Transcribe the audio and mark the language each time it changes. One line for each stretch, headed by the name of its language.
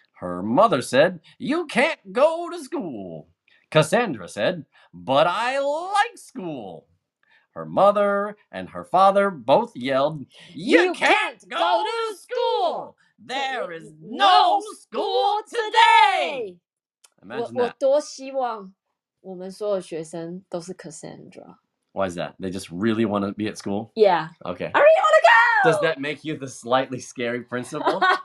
English: Her mother said, you can't go to school. Cassandra said, but I like school. Her mother and her father both yelled, you can't go to school. There is no school today. Imagine that.
Chinese: 我多希望我们所有学生都是 Cassandra.
English: Why is that? They just really want to be at school? Yeah. Okay. Are you on a go? Does that make you the slightly scary principal?